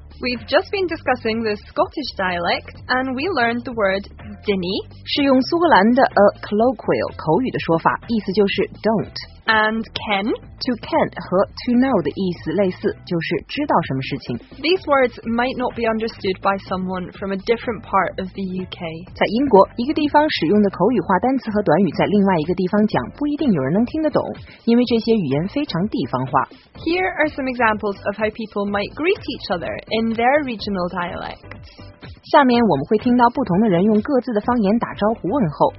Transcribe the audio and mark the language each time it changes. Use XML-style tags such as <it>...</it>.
<en>We've just been discussing the Scottish dialect, and we learned the word dinny.</en> <zh>是用苏格兰的</zh> <en>a colloquial</en> <zh>口语的说法，意思就是 don't.</zh> <en>And ken?</en> <zh>To ken 和 to know 的意思类似，就是知道什么事情。</zh> <en>These words might not be understood by someone from a different part of the UK.</en> <zh>在英国，一个地方使用的口语化单词和短语在另外一个地方讲，不一定有人能听得懂，因为这些语言非常地方化。</zh> <en>Here are some examples of how people might greet each other in their regional dialects.</en> <zh>下面我们会听到不同的人用各自的方言打招呼问候。</zh>